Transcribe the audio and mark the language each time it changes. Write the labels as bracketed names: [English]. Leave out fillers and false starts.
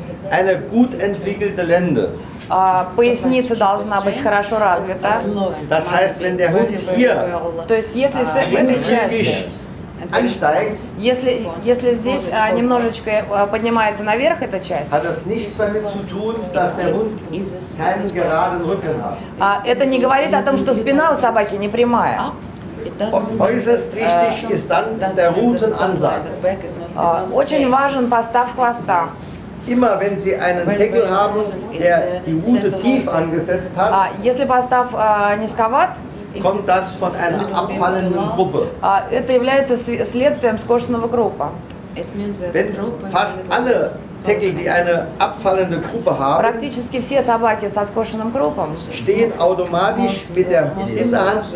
[German] Eine gut entwickelte Lende. [Russian] Поясница должна быть хорошо развита. [German] Das heißt, wenn der Hund hier, [Russian] то есть, если с этой части, если здесь немножечко поднимается наверх эта часть, [German] hat das nichts damit zu tun, dass der Hund keinen geraden Rücken hat. [Russian] Это не говорит о том, что спина у собаки не прямая. [German] Äußerst wichtig ist dann der Rutenansatz. [Russian] Очень важен постав хвоста. [German] Immer wenn Sie einen Deckel haben, der die Rute tief angesetzt hat, [Russian] если постав низковат, [German] kommt das von einer abfallenden Gruppe. [Russian] Это является следствием скошенного крупа. [German] Wenn fast alle Теккель, die eine abfallende Gruppe haben, [Russian] практически все собаки со скошенным крупом [German] stehen automatisch mit der Hinterhand